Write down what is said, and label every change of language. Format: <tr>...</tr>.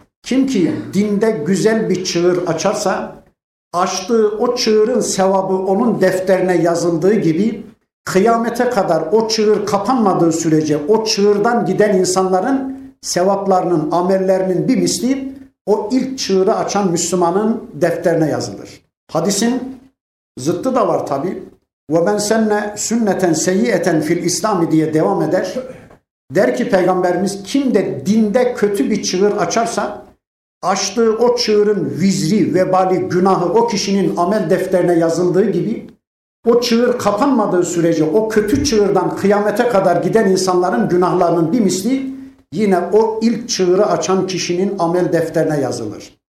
<tr>Kim ki dinde güzel bir çığır açarsa, açtığı o çığırın sevabı onun defterine yazıldığı gibi, kıyamete kadar o çığır kapanmadığı sürece o çığırdan giden insanların sevaplarının, amellerinin bir misli o ilk çığırı açan Müslümanın defterine yazılır. Hadisin zıttı da var tabi.</tr> <ar>وَمَنْ سَنَّ سُنَّةً سَيِّئَةً فِي الْاِسْلَامِ</ar> <tr>diye devam eder. Der ki Peygamberimiz, kim de dinde kötü bir çığır açarsa, açtığı o çığırın vizri, vebali, günahı o kişinin amel defterine yazıldığı gibi, o çığır kapanmadığı sürece o kötü çığırdan kıyamete kadar giden insanların günahlarının bir misli yine o ilk çığırı açan kişinin amel defterine yazılır.</tr>